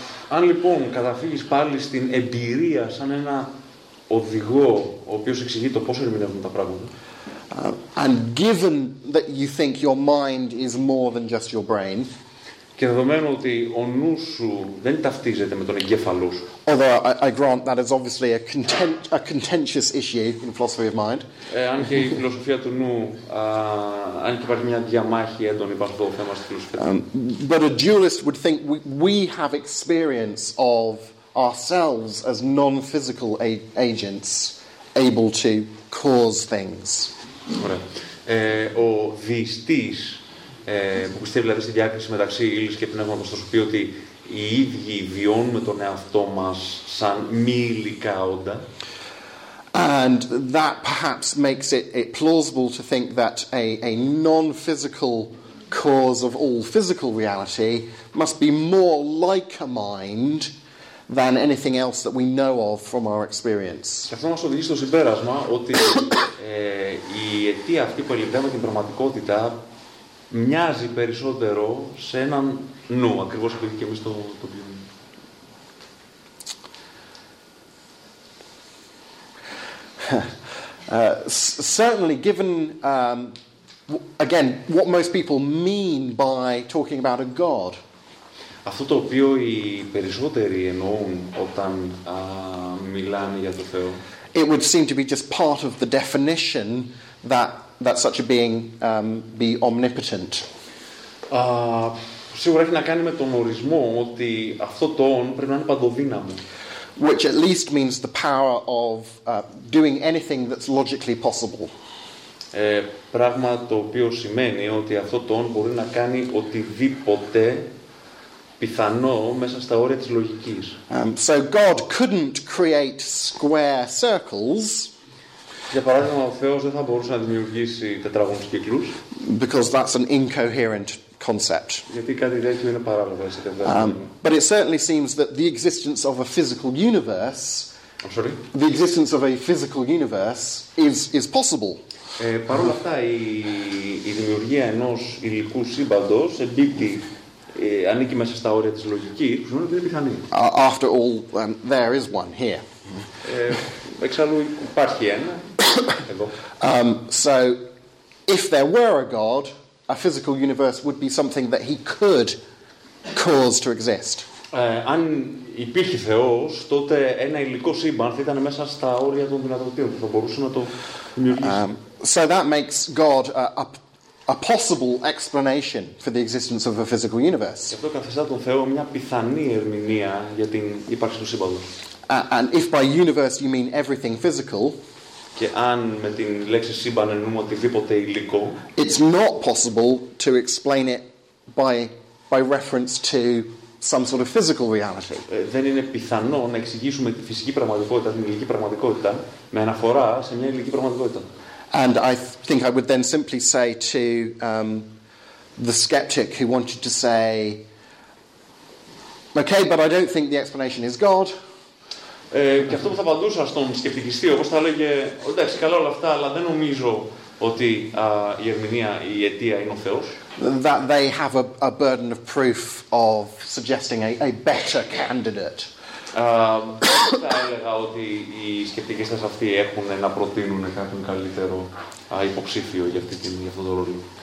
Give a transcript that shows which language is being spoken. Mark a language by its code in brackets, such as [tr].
[el] Αν λοιπόν καταφύγεις πάλι στην εμπειρία σαν ένα οδηγό ο οποίος εξηγεί το πώς ερμηνεύουν τα πράγματα. [en] And given that you think your mind is more than just your brain. [el] Και δεδομένου ότι ο νους σου δεν ταυτίζεται με τον εγκέφαλο σου. [en] Although I grant that is obviously a contentious issue in philosophy of mind. [el] Αν και η φιλοσοφία του νου, αν και υπάρχει μια διαμάχη έντονη παρ' το θέμα στη φιλοσοφία. [en] But a dualist would think we have experience of ourselves as non-physical agents able to cause things. [el] Ωραία. Ο διστής που πιστεύει δηλαδή στη διάκριση μεταξύ ύλης και πνεύματος, θα σου πει ότι οι ίδιοι βιώνουμε τον εαυτό μας σαν μη υλικά όντα. [en] And that perhaps makes it plausible to think that a non-physical cause of all physical reality must be more like a mind than anything else that we know of from our experience. [el] Και αυτό μας οδηγεί στο συμπέρασμα ότι η αιτία αυτή που ελευθερώνει την πραγματικότητα μοιάζει περισσότερο σε έναν νου, ακριβώς επειδή και εμείς το βιώνουμε. [en] Certainly, given again what most people mean by talking about a god. [el] Αυτό το οποίο οι περισσότεροι εννοούν όταν μιλάνε για το Θεό. [en] It would seem to be just part of the definition that such a being be omnipotent. [el] Σίγουρα έχει να κάνει με τον ορισμό ότι αυτό το όν πρέπει να είναι παντοδύναμο. [en] which at least means the power of doing anything that's logically possible. [el] Πράγμα το οποίο σημαίνει ότι αυτό το «on» μπορεί να κάνει οτιδήποτε πιθανό μέσα στα όρια της λογικής. [en] So God couldn't create square circles. [el] Για παράδειγμα, ο Θεός δεν θα μπορούσε να δημιουργήσει τετραγωνικούς κύκλους. [en] Because that's an incoherent concept. [el] Γιατί κάτι τέτοιο είναι παράλογο. [en] But it certainly seems that the existence of a physical universe, I'm sorry, the existence of a physical universe is possible. [el] Παρ' όλα αυτά, η δημιουργία ενός υλικού σύμπαντος εμπίπτει, ανήκει μέσα στα όρια της λογικής, που σημαίνει ότι είναι πιθανή. [en] After all, there is one here. [el] Εξάλλου υπάρχει ένα. Εδώ. [en] So, if there were a God, a physical universe would be something that he could cause to exist. [el] Αν υπήρχε Θεός, τότε ένα υλικό σύμπαν θα ήταν μέσα στα όρια των δυνατοτήτων, θα μπορούσε να το δημιουργήσει. [en] So that makes God a possible explanation for the existence of a physical universe. [el] Αυτό καθιστά τον Θεό μια πιθανή ερμηνεία για την ύπαρξη του σύμπαντος. [en] And if by universe you mean everything physical, [el] και αν με την λέξη σύμπαν εννοούμε οτιδήποτε υλικό, [en] it's not possible to explain it by reference to some sort of physical reality. [el] Δεν είναι πιθανό να εξηγήσουμε τη φυσική πραγματικότητα, την υλική πραγματικότητα, με αναφορά σε μια υλική πραγματικότητα. [en] And I think I would then simply say to the skeptic who wanted to say, okay, but I don't think the explanation is God. [el] Και αυτό που θα απαντούσα στον σκεπτικιστή, όπως θα έλεγε, εντάξει, καλά όλα αυτά, αλλά δεν νομίζω ότι η ερμηνεία, η αιτία είναι ο Θεός. [en] That they have a burden of proof of suggesting a better candidate. [el] Θα έλεγα ότι οι σκεπτικιστές αυτοί έχουν να προτείνουν κάποιον καλύτερο υποψήφιο για αυτόν τον ρόλο.